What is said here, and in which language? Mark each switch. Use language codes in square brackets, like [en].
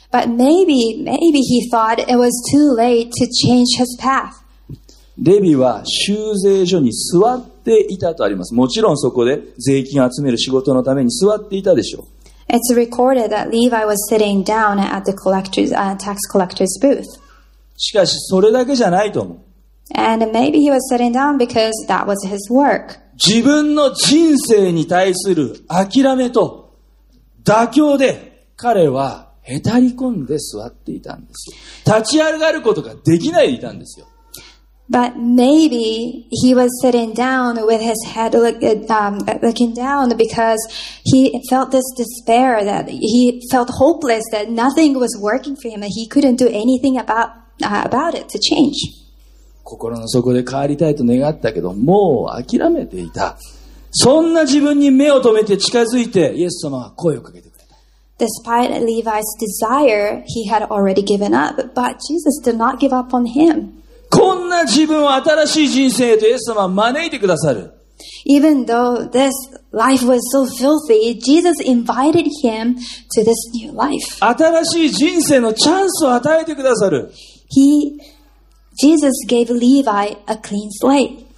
[en] But maybe, maybe he thought it was too late to change his path. [ja] レビは収税所に座っていたとあります。もちろんそこで税金を集める仕事のために座っていたでしょう。 [en] It's recorded that Levi was sitting down at the collector's, tax collector's booth. [ja] しかしそれだけじゃないと思う。 [en] And maybe he was sitting down because that was his work. [ja] 自分の人生に対する諦めと妥協で彼はへたり込んで座っていたんです。立ち上がることができないでいたんですよ。 [en] But maybe he was sitting down with his head looking down because he felt this despair that he felt hopeless that nothing was working for him and he couldn't do anything about it to change. [ja] 心の底で変わりたいと願ったけど、もう諦めていた。そんな自分に目を止めて近づいて、イエス様は声をかけてくれた。 [en] Despite Levi's desire, he had already given up, but Jesus did not give up on him. [ja] こんな自分を新しい人生へとイエス様は招いてくださる。 [en] Even though this life was so filthy, Jesus invited him to this new life. [ja] 新しい人生のチャンスを与えてくださる。 [en] Jesus gave Levi a clean slate.